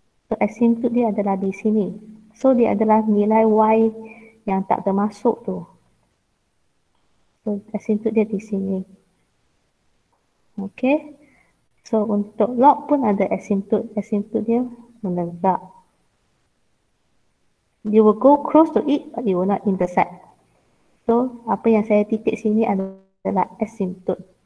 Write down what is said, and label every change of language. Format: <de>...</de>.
<ms>So asymptote dia adalah di sini. So dia adalah nilai y yang tak termasuk tu. So asymptote dia di sini. Okay. So untuk log pun ada asymptote. Asymptote dia menegak.</ms> <en>You will go close to it but you will not intersect.</en> <ms>So apa yang saya titik sini adalah asymptote.</ms>